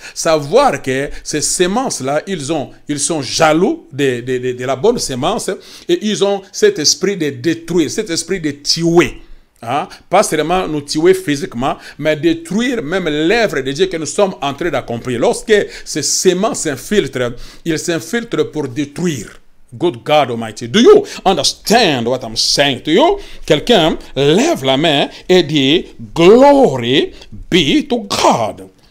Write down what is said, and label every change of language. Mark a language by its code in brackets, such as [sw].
[fr] Savoir que ces sémences-là, ils sont jaloux de la bonne sémence et ils ont cet esprit de détruire, cet esprit de tuer. Hein? Pas seulement nous tuer physiquement, mais détruire même l'œuvre de Dieu que nous sommes en train d'accomplir. Lorsque ces sémences s'infiltrent, ils s'infiltrent pour détruire. [en] Good God Almighty. Do you understand what I'm saying to you? [fr] Quelqu'un lève la main et dit, [en] glory be to God.